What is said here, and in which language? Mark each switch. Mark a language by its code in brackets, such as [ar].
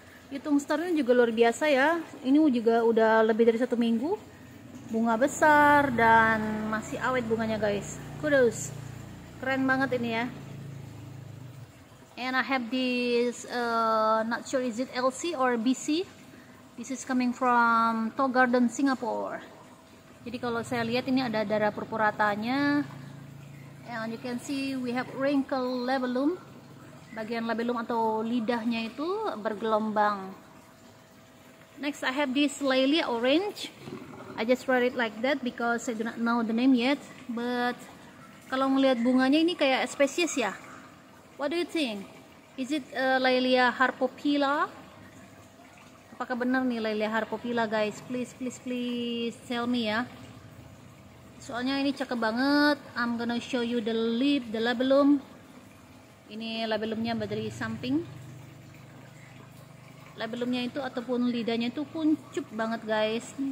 [id] Yutong Star ini juga luar biasa ya, ini juga udah lebih dari 1 minggu bunga besar dan masih awet bunganya guys. Kudos, keren banget ini ya. [en] And I have this not sure is it LC or BC. This is coming from Toh Garden, Singapore. [id] Jadi kalau saya lihat ini ada darah purpuratanya. [en] And you can see we have wrinkle labellum. [id] Bagian labellum atau lidahnya itu bergelombang. [en] Next I have this Lelia Orange. I just read it like that because I do not know the name yet. [id] But kalau melihat bunganya ini kayak spesies ya. [en] What do you think? Is it Lelia Harpopila? [id] Apakah benar nih Lelia Harpopila guys? Please, please, please tell me ya. Soalnya ini cakep banget. [en] I'm gonna show you the leaf, the labellum. [id] Ini labellumnya dari samping. Labellumnya itu ataupun lidahnya itu kuncup banget guys.